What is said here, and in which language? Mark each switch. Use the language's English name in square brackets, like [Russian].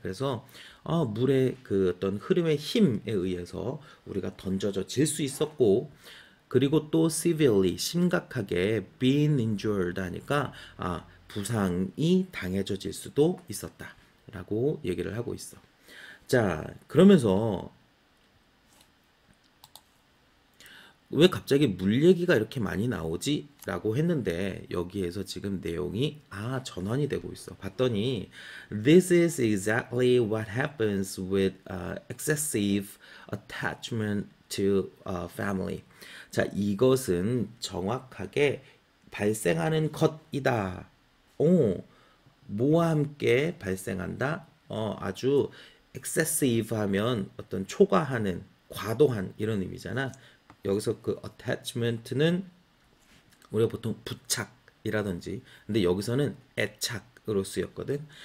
[Korean] 그래서 물의 그 어떤 흐름의 힘에 의해서 우리가 던져져 질수 있었고 그리고 또 [English] severely [Korean] 심각하게 [English] been injured [Korean] 하니까 부상이 당해져질 수도 있었다라고 얘기를 하고 있어. 자, 그러면서 왜 갑자기 물 얘기가 이렇게 많이 나오지? 라고 했는데, 여기에서 지금 내용이, 전환이 되고 있어. [English] 봤더니, This is exactly what happens with excessive attachment to family. [Korean] 자, 이것은 정확하게 발생하는 것이다. 오, 뭐와 함께 발생한다? 아주 excessive 하면 어떤 초과하는, 과도한 이런 의미잖아. 여기서 그 attachment는 우리가 보통 부착이라든지, 근데 여기서는 애착으로 쓰였거든.